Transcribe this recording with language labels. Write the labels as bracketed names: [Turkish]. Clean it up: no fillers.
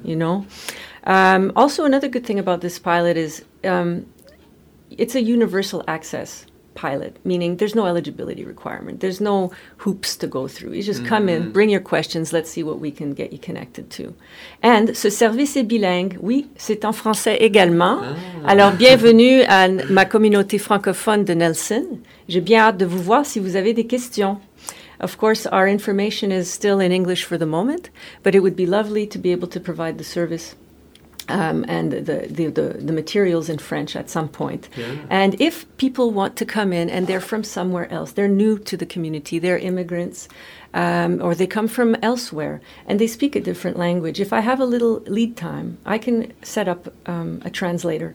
[English] You know? Also, another good thing about this pilot is it's a universal access pilot, meaning there's no eligibility requirement. There's no hoops to go through. You just come in, bring your questions, let's see what we can get you connected to. And [French] ce service est bilingue. Oui, c'est en français également. Ah. Alors, bienvenue à ma communauté francophone de Nelson. J'ai bien hâte de vous voir si vous avez des questions. [English] Of course, our information is still in English for the moment, but it would be lovely to be able to provide the service and the materials in French at some point. Yeah. And if people want to come in and they're from somewhere else, they're new to the community, they're immigrants, or they come from elsewhere and they speak a different language, if I have a little lead time, I can set up a translator.